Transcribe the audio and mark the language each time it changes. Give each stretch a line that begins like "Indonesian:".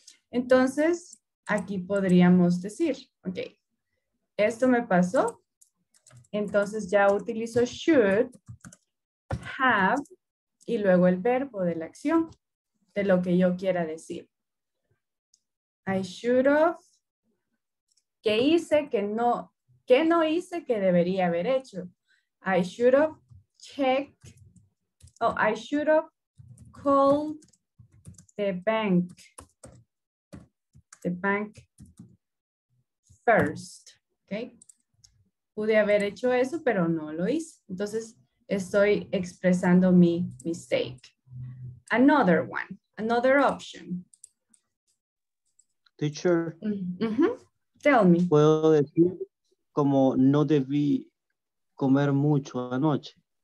Spanish: Entonces, aquí podríamos decir, ok, esto me pasó, entonces ya utilizo should, have, y luego el verbo de la acción, de lo que yo quiera decir.
English: I should have.
Spanish: ¿Qué hice que no, qué no hice que debería haber hecho?
English: I should have checked, oh, I should have called the bank first, okay?
Spanish: Pude haber hecho eso, pero no lo hice. Entonces, estoy expresando mi mistake.
English: Another one, another option. Teacher. Mm-hmm. Tell me.
Spanish: Puedo decir como no debí comer mucho anoche.